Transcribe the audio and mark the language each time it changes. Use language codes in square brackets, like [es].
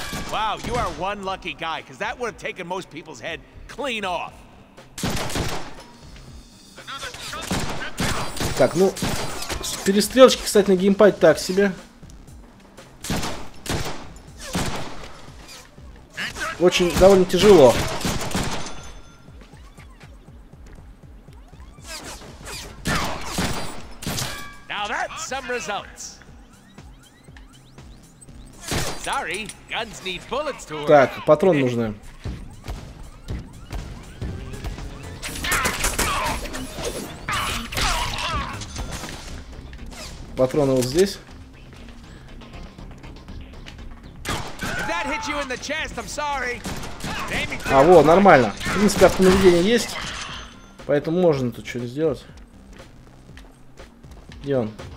[en] Wow, you are one lucky guy, because that would have taken most people's head clean off. [ru] Так, ну, перестрелочки, кстати, на геймпаде так себе. Очень довольно тяжело. [en] Now that's some results. Sorry, guns need bullets to work. [ru] Так, патрон нужны. Патроны вот здесь. [en] If that hit you in the chest, I'm sorry. [ru] А, во, нормально. В принципе, автонаведение есть. Поэтому можно тут что-то сделать. Где он?